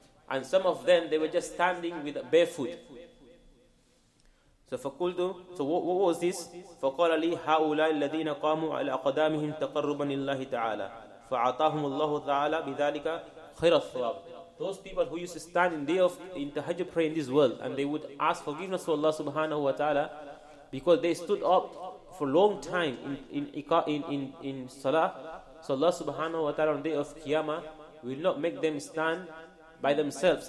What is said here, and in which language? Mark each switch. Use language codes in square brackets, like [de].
[en] And some of them, they were just standing with barefoot. [ar] So فقلت [en] so what was this [ar] فقال لي هؤلاء الذين قاموا على اقدامهم تقربا لله تعالى فاعطاهم الله تعالى بذلك خير الثواب. [en] Those people who used to stand in day of in tahajjud prayer in this world, and they would ask forgiveness to Allah subhanahu wa ta'ala because they stood up for a long time in salah, so Allah subhanahu wa ta'ala on day of qiyamah will not make them stand by themselves.